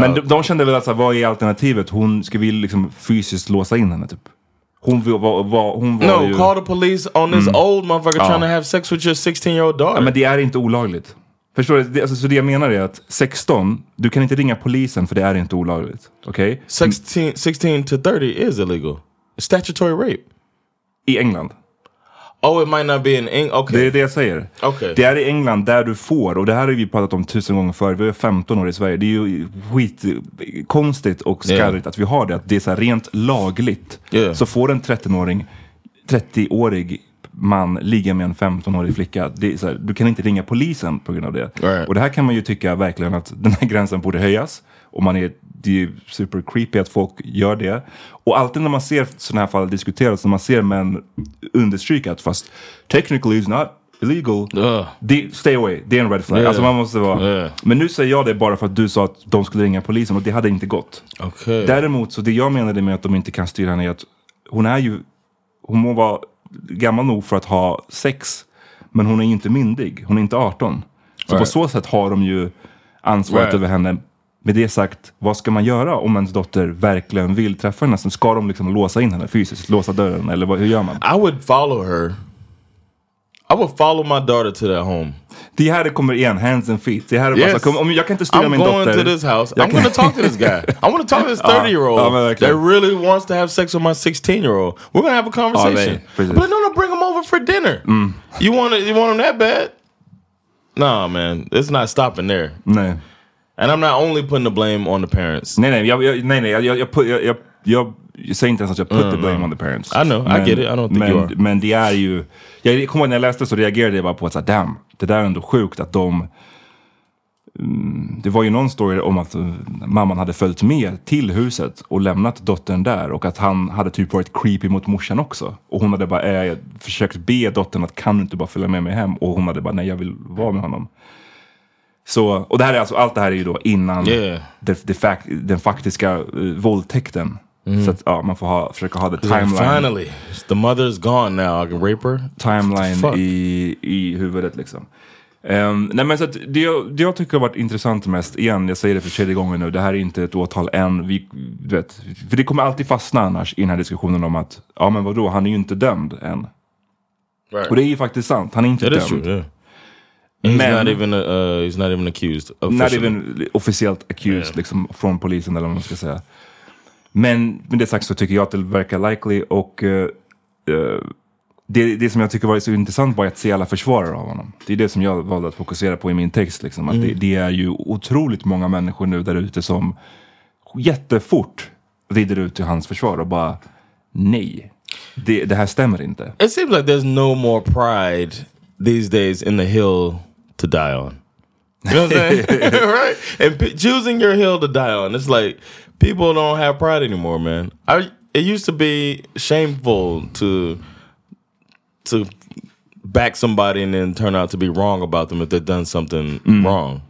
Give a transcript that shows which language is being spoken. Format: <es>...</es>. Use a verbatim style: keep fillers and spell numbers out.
<sv>Men de, de kände väl att alltså, vad är alternativet? Hon ska vi liksom fysiskt låsa in henne typ. Hon var, var, hon var</sv> <en>no,</en> <sv>ju...</sv> <en>call the police on this mm. old motherfucker</en> <sv>ja.</sv> <en>Trying to have sex with your sixteen-year-old daughter.</en> <sv>Ja, men det är inte olagligt. Förstår du? Det, alltså, så det jag menar är att sexton, du kan inte ringa polisen för det är inte olagligt. Okej?</sv> <en>Okay? sixteen, sixteen to thirty is illegal. Statutory rape.</en> <sv>I England.</sv> <en>Oh, it might not be in England. Okay.</en> <sv>Det är det jag säger.</sv> <en>Okay.</en> <sv>Det är i England där du får, och det här har vi pratat om tusen gånger förr. Vi är femton år i Sverige. Det är ju skitkonstigt och skarrigt</sv> <en>yeah.</en> <sv>att vi har det. Att det är så här rent lagligt.</sv> <en>Yeah.</en> <sv>Så får en tretton-åring, trettio-årig man ligga med en femton-årig flicka. Det är så här, du kan inte ringa polisen på grund av det.</sv> <en>Right.</en> <sv>Och det här kan man ju tycka verkligen att den här gränsen borde höjas. Och man är, det är ju</sv> <en>super creepy</en> <sv>att folk gör det. Och alltid när man ser sådana här fall diskuteras, när man ser män understryka att fast</sv> <en>technically it's not illegal. Uh.</en> <sv>De,</sv> <en>stay away,</en> <sv>det är en</sv> <en>red flag.</en> <sv>Yeah. Alltså man måste vara... Yeah. Men nu säger jag det bara för att du sa att de skulle ringa polisen och det hade inte gått.</sv> <en>Okay.</en> <sv>Däremot så det jag menade med att de inte kan styra henne är att hon är ju... Hon må vara gammal nog för att ha sex, men hon är ju inte myndig. Hon är inte arton. Så</sv> <en>right.</en> <sv>på så sätt har de ju ansvaret</sv> <en>right.</en> <sv>över henne. Med det sagt, vad ska man göra om ens dotter verkligen vill träffa henne? Ska de liksom låsa in henne fysiskt? Låsa dörren? Eller vad, hur gör man?</sv> <en>I would follow her. I would follow my daughter to that home.</en> <sv>Det här kommer igen,</sv> <en>hands and feet.</en> <sv>Det här</sv> <en>yes.</en> <sv>bara, kom, om jag kan inte styra</sv> <en>I'm</en> <sv>min dotter.</sv> <en>I'm going to this house. I'm going to talk to this guy. I want to talk to this thirty-year-old</en> <sv>ja, ja,</sv> <en>that really wants to have sex with my sixteen-year-old. We're going to have a conversation.</en> <sv>Ja,</sv> <en>but no, no, bring him over for dinner. Mm. You want you want him that bad? No, man. It's not stopping there.</en> <sv>Nej.</sv> <en>And I'm not only putting the blame on the parents.</en> <sv>Nej, nej, jag, jag, nej, nej, jag, jag, put, jag, jag, jag, jag säger inte ens att jag</sv> <en>put mm, the blame mm. on the parents. I know,</en> <sv>men,</sv> <en>I get it, I don't think</en> <sv>men,</sv> <en>you are.</en> <sv>Men det är ju, jag kommer ihåg när jag läste så reagerade jag bara på att såhär,</sv> <en>damn,</en> <sv>det där är ändå sjukt att de, um, det var ju någon story om att uh, mamman hade följt med till huset och lämnat dottern där och att han hade typ varit creepy mot morsan också. Och hon hade bara, eh, jag försökt be dottern att kan du inte bara följa med mig hem? Och hon hade bara, nej jag vill vara med honom. Så, och det här är alltså, allt det här är ju då innan</sv> <en>yeah.</en> <sv>det, det fakt, den faktiska uh, våldtäkten. Mm. Så att ja, man får ha, försöka ha</sv> <en>the timeline. Finally, the mother's gone now, I can rape her.</en> <sv>Timeline i, i huvudet liksom. Um, nej men så att det, det jag tycker har varit intressant mest, igen, jag säger det för tredje gången nu, det här är inte ett åtal än. Vi, du vet, för det kommer alltid fastna annars i den här diskussionen om att, ja men vadå, han är ju inte dömd än.</sv> <en>Right.</en> <sv>Och det är ju faktiskt sant, han är inte</sv> <en>yeah,</en> <sv>dömd.</sv> <en>That's true, yeah. He's,</en> <sv>men,</sv> <en>not even, uh, he's not even accused. Not even</en> <sv>officiellt</sv> <en>accused yeah.</en> <sv>liksom, från polisen eller vad man ska säga. Men med det sagt så tycker jag att det verkar likely. Och uh, uh, det, det som jag tycker var så intressant var att se alla försvarare av honom. Det är det som jag valde att fokusera på i min text. Liksom, att mm. det, det är ju otroligt många människor nu där ute som jättefort rider ut till hans försvar och bara nej, det, det här stämmer inte.</sv> <en>It seems like there's no more pride these days in the hill to die on. You know what I'm saying? Right? And p- choosing your hill to die on. It's like people don't have pride anymore, man. I, it used to be shameful to to back somebody and then turn out to be wrong about them if they've done something mm. wrong.</en>